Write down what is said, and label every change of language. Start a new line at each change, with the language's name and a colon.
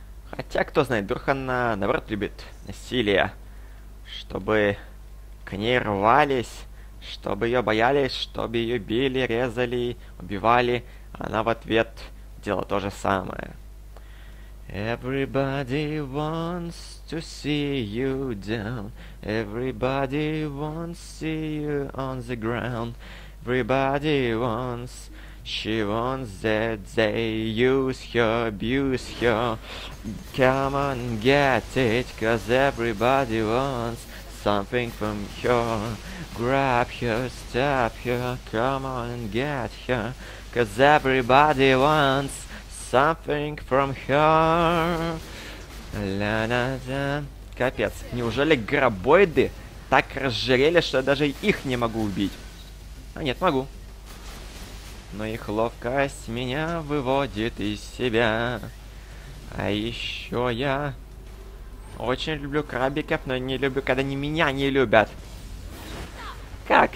Russian: Хотя, кто знает, вдруг она, наоборот, любит насилие. Чтобы к ней рвались, чтобы ее боялись, чтобы ее били, резали, убивали. Она в ответ делала то же самое.
English: Everybody wants to see you down. Everybody wants to see you on the ground. Everybody wants, she wants that they use her, abuse her. Come on, get it, cause everybody wants something from her. Grab her, stab her, come on and get her. Cause everybody wants something from her. La-na-na.
Russian: Капец, неужели гробоиды так разжирели, что я даже их не могу убить? А нет, могу. Но их ловкость меня выводит из себя. А еще я очень люблю крабиков, но не люблю, когда они меня не любят. Как?